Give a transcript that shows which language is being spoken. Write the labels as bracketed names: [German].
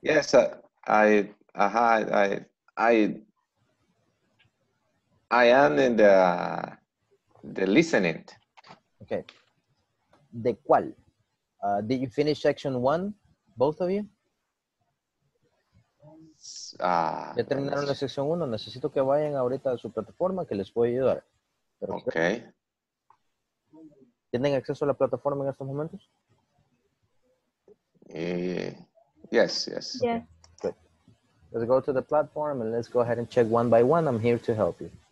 [English] Yes. I am in the listening. [Spanish] Okay. De cuál? [English] Did you finish section one, both of you? [Spanish] Ya terminaron la sección 1, necesito que vayan ahorita a su plataforma que les puede ayudar. Pero ok. ¿Qué? ¿Tienen acceso a la plataforma en estos momentos? [English] Yes. Yeah. Okay. Let's go to the platform and let's go ahead and check one by one. I'm here to help you.